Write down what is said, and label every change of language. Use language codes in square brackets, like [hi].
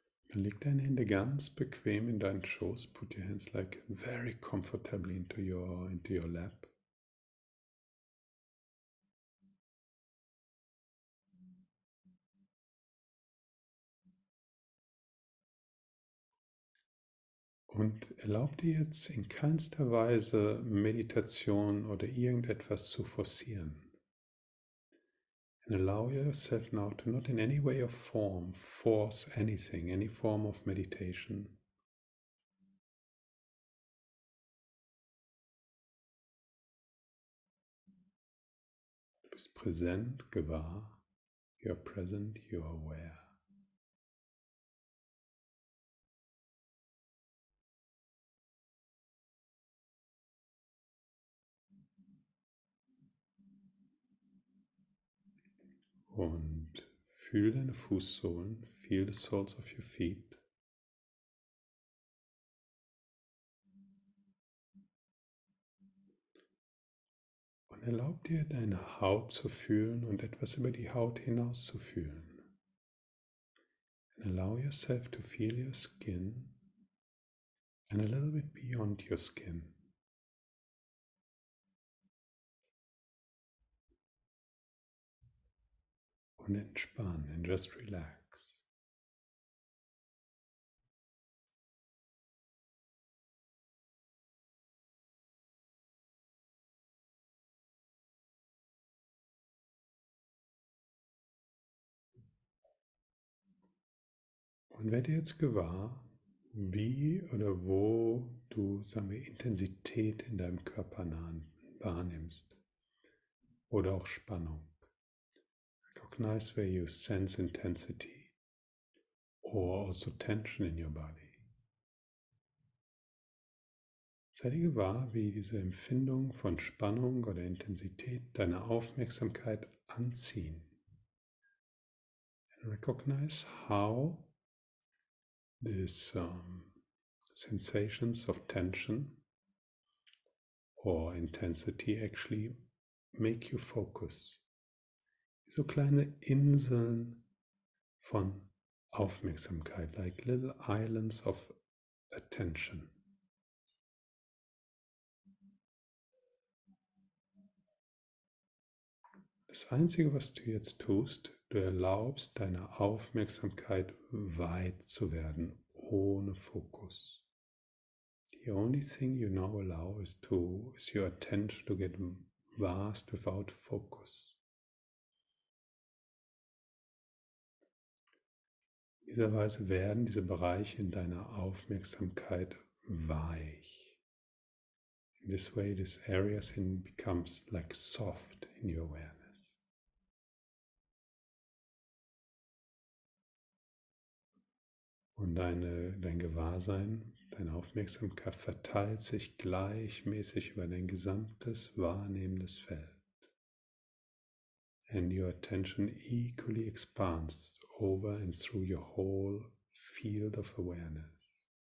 [de] Dann leg deine Hände ganz bequem in deinen Schoß. [en] Put your hands like very comfortably into your lap. [de] Und erlaub dir jetzt in keinster Weise Meditation oder irgendetwas zu forcieren. [en] And allow yourself now to not in any way or form force anything, any form of meditation. Du bist präsent, gewahr. You are present, you are aware. Und fühl deine Fußsohlen, feel the soles of your feet. [de] Und erlaub dir, deine Haut zu fühlen und etwas über die Haut hinaus zu fühlen. [en] And allow yourself to feel your skin and a little bit beyond your skin. Und entspann and just relax. [de] Und werde jetzt gewahr, wie oder wo du, sagen wir, Intensität in deinem Körper wahrnimmst oder auch Spannung. [en] Recognize where you sense intensity or also tension in your body. [de] Sei dir gewahr, wie diese Empfindung von Spannung oder Intensität deine Aufmerksamkeit anziehen. [en] And recognize how these sensations of tension or intensity actually make you focus. [de] So kleine Inseln von Aufmerksamkeit, like little islands of attention. Das Einzige, was du jetzt tust, du erlaubst deiner Aufmerksamkeit weit zu werden, ohne Fokus. [en] The only thing you now allow is your attention to get vast without focus. [de] In dieser Weise werden diese Bereiche in deiner Aufmerksamkeit weich. [en] In this way, this area becomes like soft in your awareness. [de] Und dein Gewahrsein, deine Aufmerksamkeit verteilt sich gleichmäßig über dein gesamtes wahrnehmendes Feld. [en] And your attention equally expands over and through your whole field of awareness.